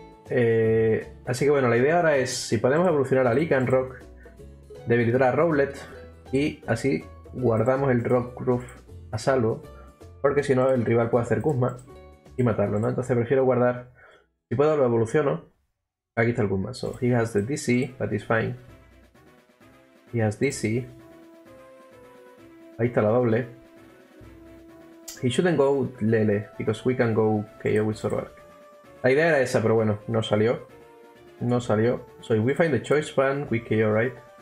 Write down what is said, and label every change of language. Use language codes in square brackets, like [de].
[es] Así que bueno, la idea ahora es si podemos evolucionar a Lycanroc, debilitar a Rowlet y así guardamos el Rockruff a salvo, porque si no el rival puede hacer Kuzma y matarlo, ¿no? Entonces prefiero guardar, si puedo lo evoluciono. Aquí está el Kuzma, [en] so he has the DC, but it's fine. He has DC. [es] Ahí está la doble. [en] He shouldn't go Lele, because we can go KO with Zoroark. [es] La idea era esa, pero bueno, no salió. No salió. [en] So if we find the choice one, we KO, right?